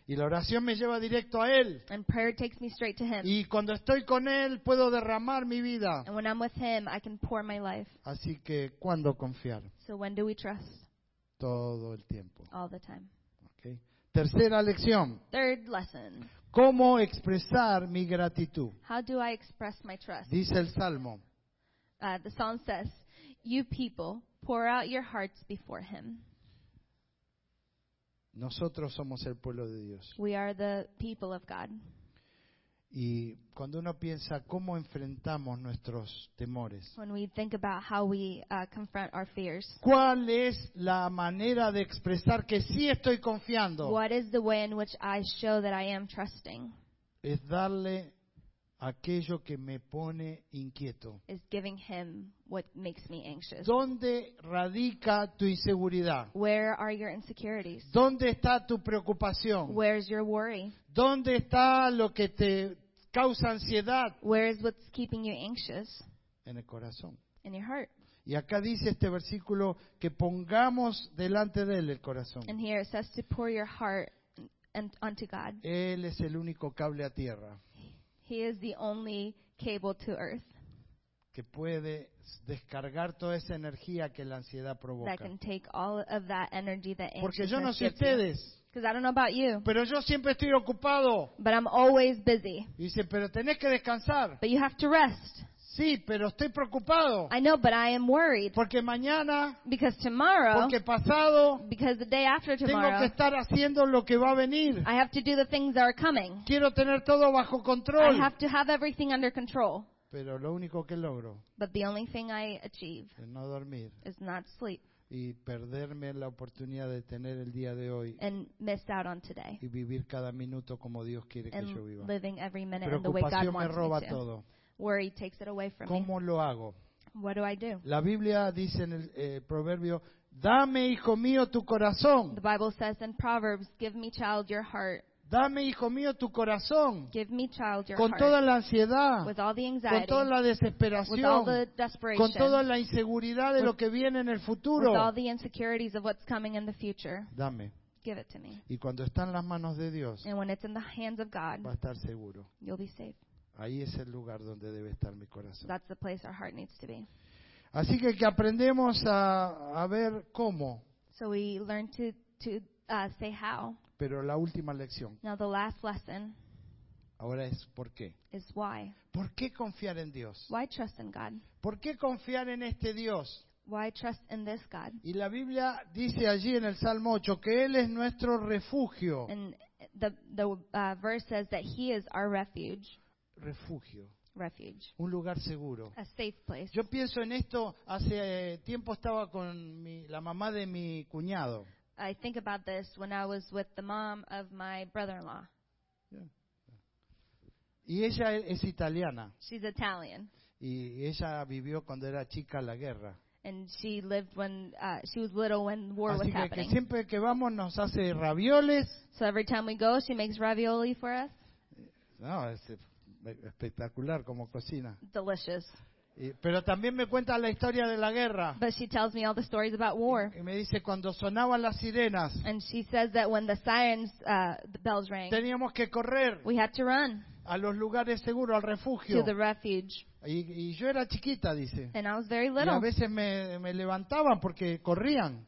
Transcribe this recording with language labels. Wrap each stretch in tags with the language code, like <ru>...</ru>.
<es>Y la oración me lleva directo a Él.</es> <en>And prayer takes me straight to Him.</en> <es>Y cuando estoy con Él, puedo derramar mi vida.</es> <en>And when I'm with Him, I can pour my life.</en> <es>Así que, ¿cuándo confiar?</es> <en>So when do we trust?</en> <es>Todo el tiempo.</es> <en>All the time.</en> <es>Okay. Tercera lección.</es> <en>Third lesson.</en> <es>¿Cómo expresar mi gratitud?</es> <en>How do I express my trust?</en> <es>Dice el Salmo.</es> <en>The Psalm says, you people, pour out your hearts before Him.</en> <es>Nosotros somos el pueblo de Dios.</es> <en>We are the people of God.</en> <es>Y cuando uno piensa cómo enfrentamos nuestros temores,</es> <en>when we think about how we, confront our fears,</en> <es>¿cuál es la manera de expresar que sí estoy confiando?</es> <en>What is the way in which I show that I am trusting?</en> <es>Es darle aquello que me pone inquieto.</es> <en>Is giving him what makes me anxious.</en> <es>¿Dónde radica tu inseguridad?</es> <en>Where are your insecurities?</en> <es>¿Dónde está tu preocupación?</es> <en>Where is your worry?</en> <es>¿Dónde está lo que te causa ansiedad?</es> <en>Where is what's keeping you anxious?</en> <es>En el corazón.</es> <en>In your heart.</en> <es>Y acá dice este versículo que pongamos delante de él el corazón.</es> <en>And here it says to pour your heart unto God.</en> <es>Él es el único cable a tierra.</es> <en>He is the only cable to earth.</en> <es>Que puede descargar toda esa energía que la ansiedad provoca.</es> <en>That can take all of that energy that anxiety.</en> <es>Porque yo no sé ustedes.</es> <en>Because I don't know about you.</en> <es>Pero yo siempre estoy ocupado.</es> <en>But I'm always busy.</en> <es>Dice, pero tenés que descansar.</es> <en>But you have to rest.</en> <es>Sí, pero estoy preocupado.</es> <en>I know, but I am worried.</en> <es>Porque mañana.</es> <en>Because tomorrow.</en> <es>Porque pasado.</es> <en>Because the day after tomorrow.</en> <es>Tengo que estar haciendo lo que va a venir.</es> <en>I have to do the things that are coming.</en> <es>Quiero tener todo bajo control.</es> <en>I have to have everything under control.</en> <es>Pero lo único que logro.</es> <en>But the only thing I achieve.</en> <es>Es no dormir.</es> <en>Is not sleep.</en> <es>Y perderme la oportunidad de tener el día de hoy.</es> <en>And miss out on today.</en> <es>Y vivir cada minuto como Dios quiere</es> <en>and</en> <es>que yo viva.</es> <en>Living every minute in the way God wants me to.</en> <es>Preocupación me roba todo.</es> <en>Worry takes it away from</en> <es>¿cómo</es> <en>me?</en> <es>Lo hago?</es> <en>What do I do?</en> <es>La Biblia dice en el proverbio, dame hijo mío tu corazón.</es> <en>The Bible says in Proverbs, give me child your heart.</en> <es>Dame hijo mío tu corazón.</es> <en>Give me child your</en> <es>con</es> <en>heart.</en> <es>Con toda la ansiedad.</es> <en>With all the anxiety.</en> <es>Con toda la desesperación.</es> <en>With all the desperation.</en> <es>Con toda la inseguridad de lo que viene en el futuro.</es> <en>With all the insecurities of what's coming in the future.</en> <es>Dame.</es> <en>Give it to me.</en> <es>Y cuando está en las manos de Dios.</es> <en>And when it's in the hands of God.</en> <es>Va a estar seguro.</es> <en>You'll be safe.</en> <es>Ahí es el lugar donde debe estar mi corazón.</es> <en>That's the place our heart needs to be.</en> <es>Así que aprendemos a ver cómo.</es> <en>So we learn to say how.</en> <es>Pero la última lección.</es> <en>Now the last lesson.</en> <es>Ahora es por qué.</es> <en>Is why.</en> <es>¿Por qué confiar en Dios?</es> <en>Why trust in God?</en> <es>¿Por qué confiar en este Dios?</es> <en>Why trust in this God?</en> <es>Y la Biblia dice allí en el Salmo 8 que Él es nuestro refugio.</es> <en>And the verse says that He is our refuge.</en> <es>Refugio.</es> <en>Refuge.</en> <es>Un lugar seguro.</es> <en>A safe place.</en> <es>Yo pienso en esto, hace tiempo estaba con la mamá de mi cuñado.</es> <en>I think about this when I was with the mom of my brother-in-law.</en> <es>Yeah. Y ella es italiana.</es> <en>She's Italian.</en> <es>Y ella vivió cuando era chica la guerra.</es> <en>And she lived when she was little when war</en> <es>así</es> <en>was</en> <es>que</es> <en>happening.</en> <es>Que siempre que vamos nos hace ravioles.</es> <en>So every time we go, she makes ravioli for us.</en> <es>No, es espectacular como cocina.</es> <en>Delicious.</en> <es>Pero también me cuenta la historia de la guerra.</es> <en>But she tells me all the stories about war.</en> <es>Y me dice cuando sonaban las sirenas.</es> <en>And she says that when the sirens, the bells rang.</en> <es>Teníamos que correr.</es> <en>We had to run.</en> <es>A los lugares seguros, al refugio.</es> <en>To the refuge.</en> <es>Y yo era chiquita, dice.</es> <en>And I was very little.</en> <es>Y a veces me levantaban porque corrían.</es>